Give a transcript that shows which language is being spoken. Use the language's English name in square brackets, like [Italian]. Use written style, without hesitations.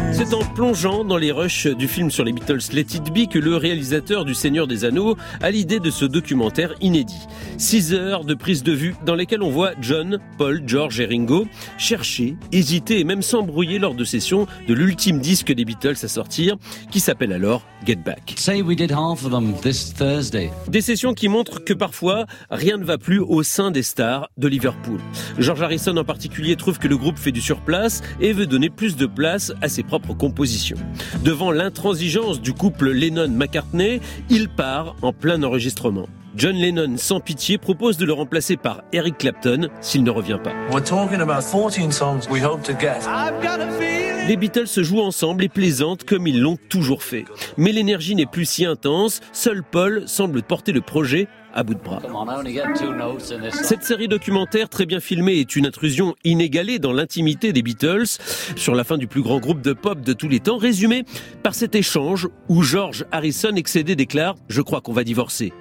[French] En plongeant dans les rushs du film sur les Beatles Let It Be que le réalisateur du Seigneur des Anneaux a l'idée de ce documentaire inédit. 6 heures de prise de vue dans lesquelles on voit John, Paul, George et Ringo chercher, hésiter et même s'embrouiller lors de sessions de l'ultime disque des Beatles à sortir qui s'appelle alors Get Back. [English] Say we did half of them this Thursday. [French] Des sessions qui montrent que parfois rien ne va plus au sein des stars de Liverpool. George Harrison en particulier trouve que le groupe fait du surplace et veut donner plus de place à ses propres composition. Devant l'intransigeance du couple Lennon-McCartney, il part en plein enregistrement. John Lennon, sans pitié, propose de le remplacer par Eric Clapton s'il ne revient pas. [English] We're talking about 14 songs we hope to get. [French] Les Beatles se jouent ensemble et plaisantent comme ils l'ont toujours fait. Mais l'énergie n'est plus si intense, seul Paul semble porter le projet à bout de bras. Cette série documentaire très bien filmée est une intrusion inégalée dans l'intimité des Beatles sur la fin du plus grand groupe de pop de tous les temps, résumée par cet échange où George Harrison, excédé, déclare « Je crois qu'on va divorcer ».